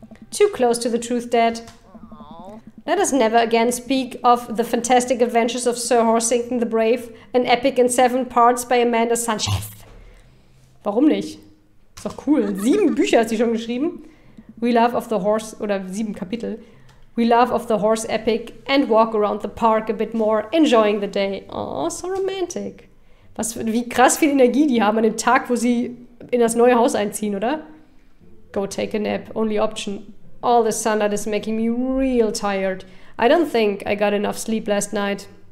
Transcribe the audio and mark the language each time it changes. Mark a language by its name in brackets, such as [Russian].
[English] Too close to the truth, Dad. Let us never again speak of The Fantastic Adventures of Sir Horsington the Brave, an epic in 7 parts by Amanda Sanchez. [German] Warum nicht? Ist doch cool. 7 Bücher hat sie schon geschrieben. [English] We Love of the Horse, [German] oder 7 Kapitel. [English] We Love of the Horse Epic and Walk Around the Park a bit more, enjoying the day. Oh, so romantic. [German] Was, wie krass viel Energie die haben an dem Tag, wo sie in das neue Haus einziehen, oder? [English] Go take a nap, only option. All the sunlight is making me real tired. I don't think I got enough sleep last night.